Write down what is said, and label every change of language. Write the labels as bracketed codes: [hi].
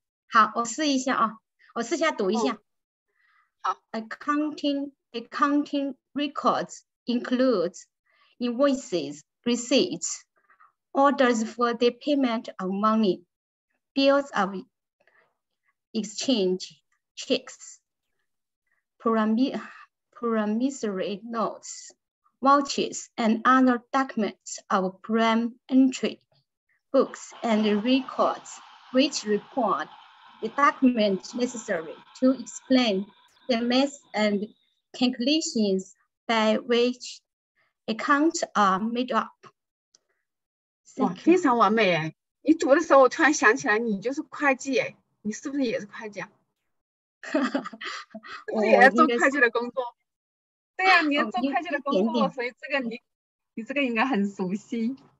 [zh] 好，我试一下啊，我试一下读一下。好。 [en] Accounting records includes invoices, receipts, orders for the payment of money, bills of exchange, checks, promissory notes, vouchers, and other documents of prime entry, books and records, which record the documents necessary to explain the methods and calculations by which accounts are made up. [zh] 哇，非常完美耶！你读的时候，我突然想起来，你就是会计耶。你是不是也是会计啊？我也在做会计的工作。对呀、啊，你做会计的工作、哦，所以这个你这个应该很熟悉。